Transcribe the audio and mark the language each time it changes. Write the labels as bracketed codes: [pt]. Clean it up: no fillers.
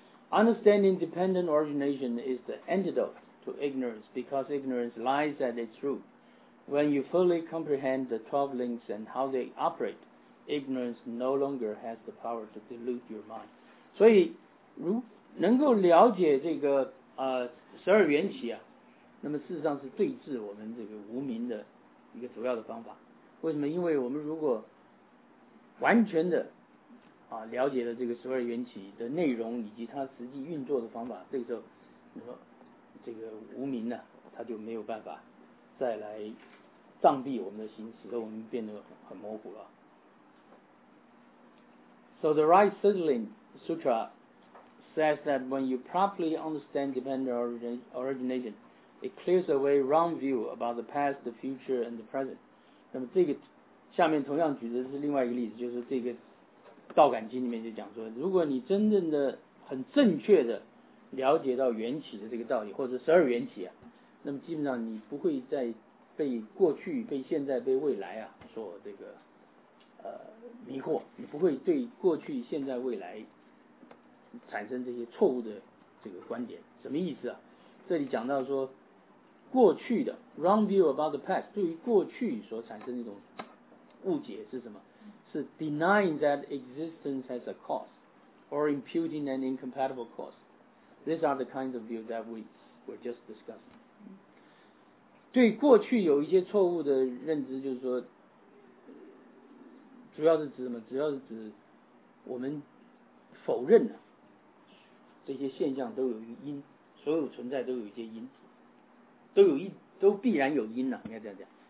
[en] Understanding dependent origination is the antidote to ignorance because ignorance lies at its root. When you fully comprehend the 12 links and how they operate, ignorance no longer has the power to delude your mind. [zh] 所以如能够了解这个十二缘起啊，那么事实上是对治我们这个无明的一个主要的方法。为什么？因为我们如果完全的啊了解了这个十二缘起的内容以及它实际运作的方法，这个时候你说这个无明呢、啊、它就没有办法再来障蔽我们的心，使得我们变得很模糊了。 [en] So the Right Settling Sutra says that when you properly understand dependent origination, it clears away wrong view about the past, the future and the present. [zh] 那么这个下面同样举的是另外一个例子，就是这个道感经里面就讲说，如果你真正的很正确的了解到缘起的这个道理，或者十二缘起啊，那么基本上你不会再被过去、被现在、被未来啊所这个迷惑，你不会对过去、现在、未来产生这些错误的这个观点。什么意思啊？这里讲到说过去的 [en] wrong view about the past [zh] 对于过去所产生的一种误解是什么？ [en] 是 denying that existence has a cause or imputing an incompatible cause. These are the kinds of view that we were just discussing. [zh] 对过去有一些错误的认知，就是说主要是指什么？主要是指我们否认了这些现象都有因，所有存在都有一些因，都必然有因了，应该这样讲。